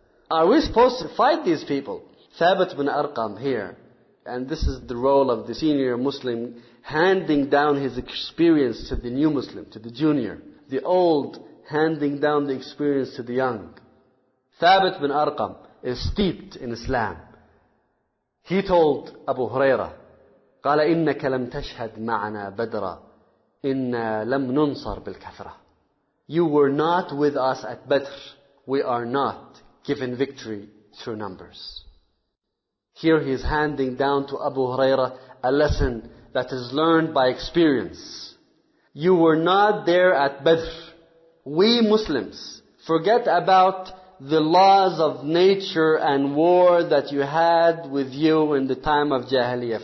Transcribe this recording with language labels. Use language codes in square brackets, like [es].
[en] Are we supposed to fight these people? Thabit bin Arqam here. And this is the role of the senior Muslim handing down his experience to the new Muslim, to the junior. The old handing down the experience to the young. Thabit bin Arqam is steeped in Islam. He told Abu Huraira, [ar] قَالَ إِنَّكَ لَمْ تَشْهَدْ مَعْنَا بَدْرًا إِنَّا لَمْ نُنصَرْ بِالْكَثْرَةِ. [en] You were not with us at Badr. We are not given victory through numbers. Here he is handing down to Abu Huraira a lesson that is learned by experience. You were not there at Badr. We Muslims, forget about the laws of nature and war that you had with you in the time of Jahiliyyah.